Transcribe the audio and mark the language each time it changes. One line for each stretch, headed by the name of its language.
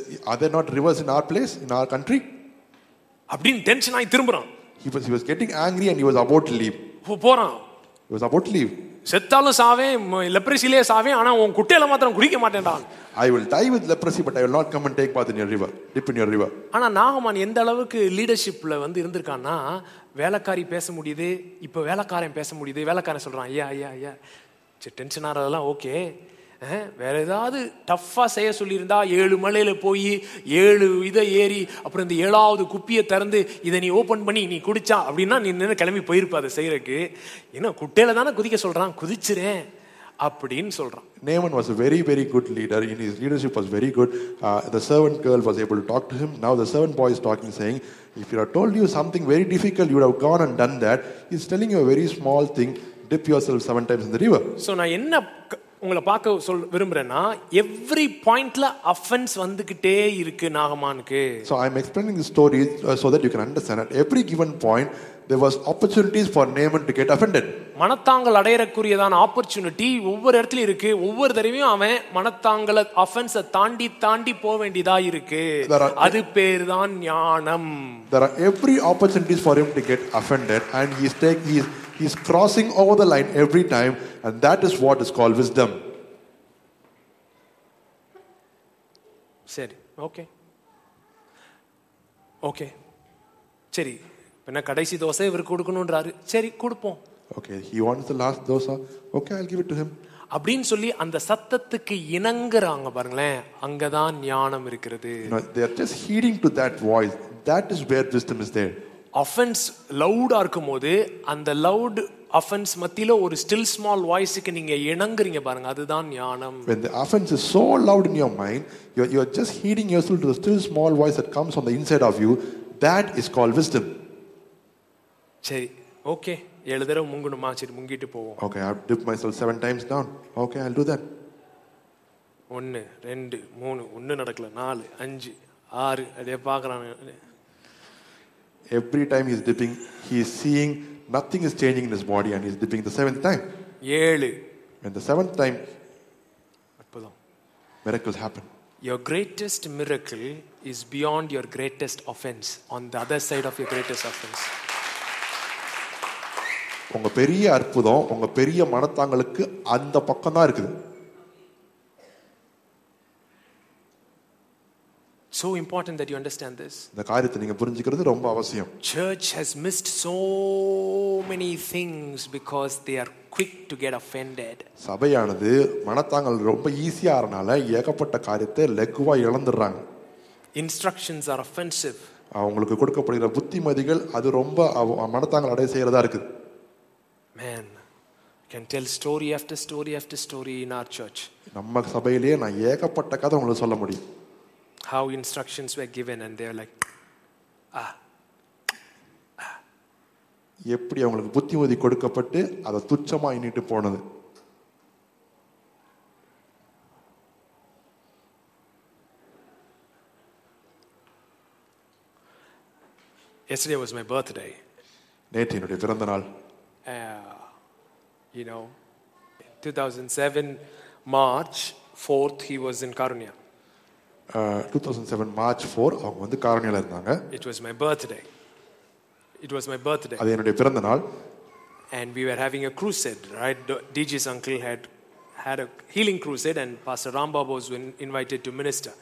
English: Are there not rivers in our place, in our country?
Tamil: அப்படின்னு tension ஆகி திரும்புறான்.
English: He was getting angry and he was about to leave.
Tamil: போறான்.
English: He was about to leave.
Tamil: செத்தாலும் சாவேன், லெப்ரசிலே சாவேன், ஆனா உன் குட்டையில மாத்திரம் குடிக்க மாட்டேன்டா.
English: I will die with leprosy, but I will not come and take bath in your river, dip in your river.
Tamil: ஆனா நாகமான் எந்த அளவுக்கு லீடர்ஷிப் ல வந்து இருந்திருக்கானா, வேலைக்காரி பேச முடியுது, இப்ப வேலைக்காரன் பேச முடியுது. வேலைக்காரன் சொல்றான், ஐயா ஐயா ஐயா, சரி டென்ஷன் ஆறதெல்லாம் ஓகே, வேற ஏதாவது டஃப்பா செய்ய சொல்லியிருந்தா ஏழு மலையில போய் ஏழு இதை ஏறி அப்புறம் இந்த ஏழாவது குப்பியை திறந்து இதை நீ ஓபன் பண்ணி நீ குடிச்சா அப்படின்னா நீ நின்று கிளம்பி போயிருப்ப அதை செய்யறக்கு. ஏன்னா குட்டையில தானே குதிக்க சொல்றான், குதிச்சுறேன் அப்படின்னு சொல்றான்.
English: Naaman was a very very good leader. In his leadership was very good. The servant girl was able to talk to him. Now the servant boy is talking, saying, if you had told you something very difficult, you would have gone and done that. He's telling you a very small thing, dip yourself seven times in the river.
Tamil: So na enna ungala paaka sol virumbrena,
English: every point
Tamil: la offense vandukitte irukku Naaman ku.
English: So I'm explaining the story so that you can understand. At every given point there was opportunities for Naaman to get offended.
Tamil: மனத்தாங்கல் அடையறக்குரியதான opportunity ஒவ்வொரு இடத்துலயும் இருக்கு. ஒவ்வொரு தடவையும் அவன் மனத்தாங்கல offense-ஐ தாண்டி தாண்டி போக வேண்டியதா இருக்கு. அது பேர் தான் ஞானம்.
English: There are every opportunities for him to get offended and he's crossing over the line every time, and that is what is called wisdom.
Tamil: சரி, ஓகே ஓகே சரி, என்ன கடைசி தோசை இவருக்கு கொடுக்கணும்ன்றாரு, சரி கொடுப்போம்.
English: Okay, he wants the last dosa. Okay, I'll give it to him.
Tamil: அப்படின் சொல்லி அந்த சத்தத்துக்கு இணங்கறாங்க பாருங்களே, அங்க தான் ஞானம் இருக்குது.
English: No, they are just heeding to that voice. That is where wisdom is there.
Tamil: Offense loud ஆ இருக்கும்போது அந்த loud offense மத்தியில ஒரு
English: still small voice
Tamil: க்கு நீங்க இணங்கறீங்க பாருங்க, அதுதான் ஞானம்.
English: When the offense is so loud in your mind, you are just heeding yourself to the still small voice that comes on the inside of you. That is called wisdom.
Tamil: சரி okay, ஏழு தடவை முங்கணுமா, சரி முங்கிட்டு போவோம்.
English: Okay, I dip myself 7 times down. Okay, I will do that.
Tamil: 1 2 3 1 நடக்கல, 4 5 6 அப்படியே பார்க்கறானே.
English: every time he is dipping, he is seeing nothing is changing in his body, and he is dipping the seventh time.
Tamil: ஏழு.
English: And the seventh time,
Tamil: அற்புதம்.
English: Miracles happen. Your greatest miracle is beyond your greatest offense, on the other side of your greatest offense.
Tamil: உங்க பெரிய அற்புதம் உங்க பெரிய மனத்தாங்களுக்கு அந்த பக்கம் தான் இருக்குது.
English: So important that you understand this.
Tamil: இந்த காரியத்தை நீங்க புரிஞ்சிக்கிறது ரொம்ப அவசியம்.
English: Church has missed so many things because they are quick to get offended.
Tamil: சபையானது மனதாங்கள் ரொம்ப ஈஸியா ஆறனால ஏகப்பட்ட காரியத்தை லெக்குவா இழந்துறாங்க.
English: Instructions are offensive.
Tamil: அவங்களுக்கு கொடுக்கப்படுகிற புத்திமதிகள் அது ரொம்ப மனதாங்கள் அடைய செய்யறதா இருக்கு.
English: Man, I can tell story after story after story in our church.
Tamil: நம்ம சபையிலே நான் ஏகப்பட்ட கதை உங்களுக்கு சொல்ல முடியும்.
English: How instructions were given and they're like
Tamil: எப்படி அவங்களுக்கு புத்திமதி கொடுக்கப்பட்டு அத துச்சமா இன்னிட்டு போனது.
English: Yesterday was my birthday.
Tamil: நேற்றினுடைய பிறந்த நாள்.
English: You know, 2007 March 4th he was in Karunya.
Tamil: 2007 March 4 அவங்க வந்து காரணியல இருந்தாங்க.
English: It was my birthday.
Tamil: அது என்னுடைய பிறந்தநாள்.
English: And we were having a crusade, right? DG's uncle had a healing crusade and Pastor Ram Babu was invited to minister.